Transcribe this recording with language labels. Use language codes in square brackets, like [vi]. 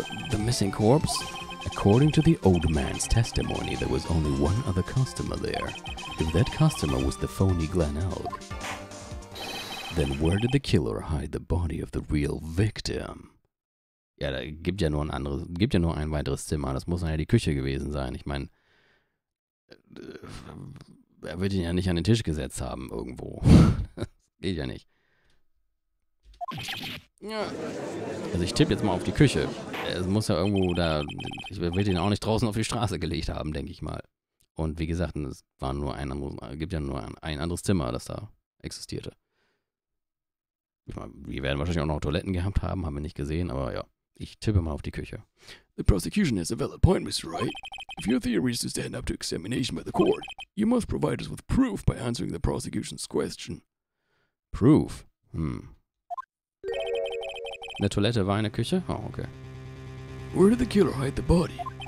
[en] The missing corpse? According to the old man's testimony, there was only one other customer there. If that customer was the phony Glen Elk, then where did the killer hide the body of the real victim? [de] Ja, da gibt ja nur ein weiteres Zimmer. Das muss ja die Küche gewesen sein. Ich meine, er wird ihn ja nicht an den Tisch gesetzt haben irgendwo. Geht ja nicht. Ja. Also ich tippe jetzt mal auf die Küche. Es muss ja irgendwo da... Ich will den auch nicht draußen auf die Straße gelegt haben, denke ich mal. Und wie gesagt, es war nur ein, gibt ja nur ein anderes Zimmer, das da existierte. Ich meine, wir werden wahrscheinlich auch noch Toiletten gehabt haben, haben wir nicht gesehen, aber ja. Ich tippe mal auf die Küche. [en] The prosecution has a valid point, Mr. Wright. If your theory is to stand up to examination by the court, you must provide us with proof by answering the prosecution's question. [de] Proof? Eine Toilette war eine Küche? Oh, okay. [en] Where did the killer hide the body?